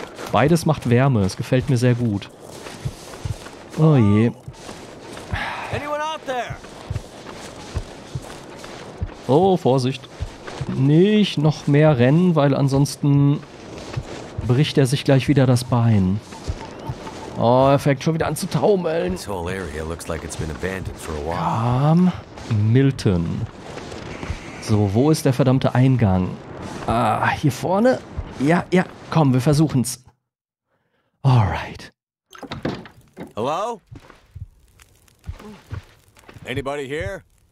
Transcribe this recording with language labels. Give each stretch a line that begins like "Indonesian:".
German: Beides macht Wärme. Es gefällt mir sehr gut. Oh je.
English: Anyone out there?
German: Oh, Vorsicht. Nicht noch mehr rennen, weil ansonsten bricht er sich gleich wieder das Bein. Oh, er fängt schon wieder an zu taumeln.
English: This whole area looks like it's been abandoned for a while.
German: Komm, Milton. So, wo ist der verdammte Eingang? Ah, hier vorne? Ja, ja, komm, wir versuchen's.
English: Alright. Hello? Anybody here?